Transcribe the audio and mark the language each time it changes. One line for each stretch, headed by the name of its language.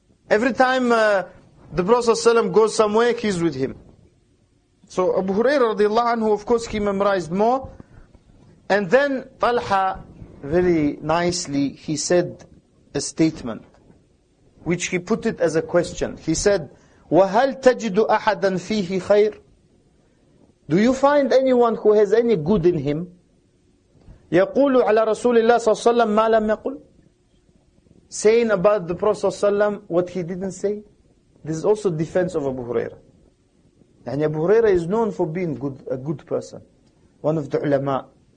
English: Every time the Prophet ﷺ goes somewhere, he's with him. So Abu Huraira radiallahu anhu, of course, he memorized more. And then Talha, very nicely, he said a statement, which he put it as a question. He said,
Arabic: وَهَلْ تَجِدُ أَحَدًا فِيهِ خَيْرٍ?
English: Do you find anyone who has any good in him?
Arabic: يَقُولُ عَلَى رَسُولِ اللَّهِ صَلَّى اللَّهُ عَلَيْهِ وَسَلَّمَ مَا لَمْ يَقُلْ?
English: Saying about the Prophet ﷺ what he didn't say. This is also defense of Abu Huraira. And Abu Huraira is known for being good, a good person. One of the ulama.